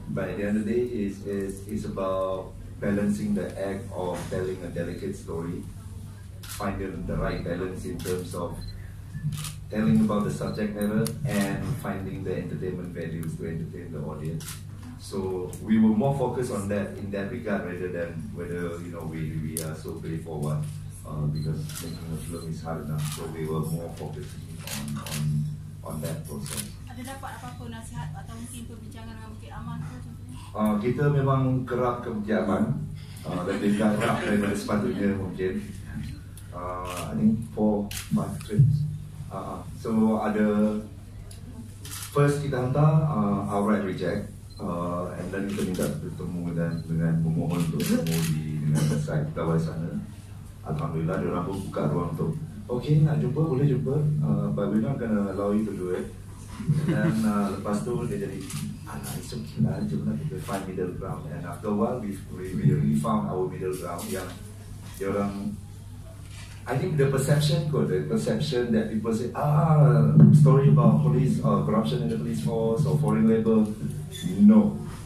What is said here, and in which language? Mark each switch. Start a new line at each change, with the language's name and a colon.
English: But at the end of the day, it's about balancing the act of telling a delicate story, finding the right balance in terms of telling about the subject matter and finding the entertainment values to entertain the audience. So we were more focused on that in that regard rather than whether, you know, we are so brave or what, because making a film is hard enough. So we were more focused on that process.
Malay: Ada dapat apa-apa nasihat atau mungkin perbincangan dengan Bukit Aman ke? Kita memang kerap ke Bukit Aman, lebih kerap daripada sepatutnya mungkin.
English: I think 4-5 trips.
Malay: So ada first kita hantar
English: outright reject,
Malay: and then kita minta bertemu dengan pemohon untuk bertemu di dengan website pegawai sana. Alhamdulillah, dia orang pun buka ruang tu.
English: Okay,
Malay: nak jumpa boleh jumpa,
English: but we're not gonna allow you to do it.
Malay: And then lepas tu dia jadi
English: it's okay
Malay: lah, cuma kita
English: find middle ground. And after a while we found our middle ground
Malay: yang dia orang,
English: I think the perception that people say, story about police or corruption in the police force or foreign labor, no.